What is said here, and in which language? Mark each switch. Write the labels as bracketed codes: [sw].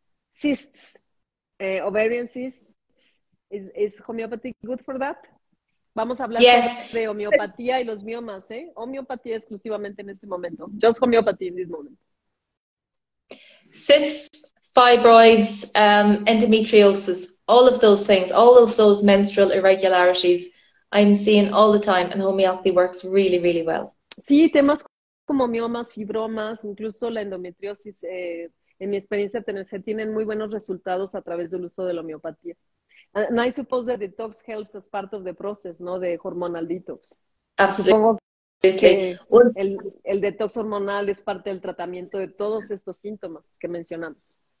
[en] Cysts, ovarian cysts, is homeopathy good for that? [es] Vamos a hablar de homeopatía y los miomas, ¿eh? Homeopatía exclusivamente en este momento. [en] Just homeopathy in this moment. Cysts, fibroids, endometriosis. All of those things, all of those menstrual irregularities, I'm seeing all the time, and homeopathy works really, really well. [es] Sí, temas como miomas, fibromas, incluso la endometriosis, en mi experiencia, se tienen muy buenos resultados a través del uso de la homeopatía. [en] And I suppose that detox helps as part of the process, ¿no? The hormonal detox. Absolutely. [es] El detox hormonal es parte del tratamiento de todos estos síntomas que mencionamos.